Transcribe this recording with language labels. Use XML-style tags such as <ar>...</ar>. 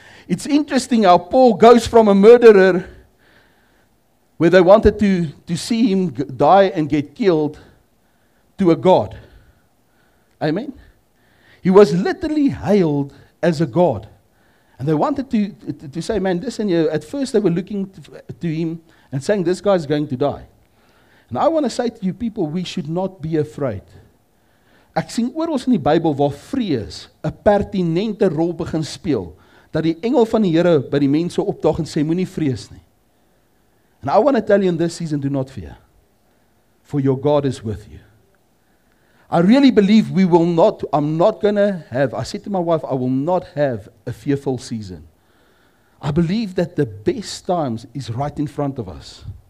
<en>It's interesting how Paul goes from a murderer, where they wanted to see him die and get killed, to a God. Amen? He was literally hailed as a God. And they wanted to say, man, listen, at first they were looking to him, and saying, this guy is going to die. And I want to say to you people, we should not be afraid.</en> <af>Ek sien oorals in die Bybel waar vrees 'n pertinente rol begin speel, dat die engel van die Here by die mense opdaag en sê, moenie vrees nie.</af> <en>And I want to tell you in this season, do not fear. For your God is with you. I really believe I said to my wife, I will not have a fearful season. I believe that the best times is right in front of us.</en>